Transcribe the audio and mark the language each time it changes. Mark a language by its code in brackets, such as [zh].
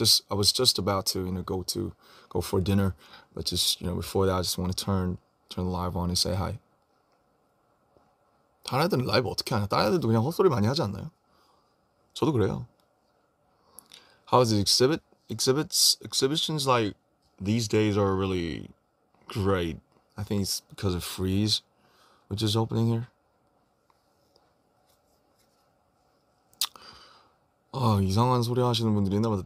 [en] I was just about to, you know, go for dinner, but just, you know, before that, I just want to turn the live on and say hi. [ko] 다른 애들은 라이브 어떻게 하냐? 다른 애들도 그냥 헛소리 많이 하지 않나요? 저도 그래요. [en] How is the exhibit? Exhibitions like these days are really great. I think it's because of Freeze, which is opening here. [ko] Oh, 이상한 소리 하시는 분들이 있나 봐.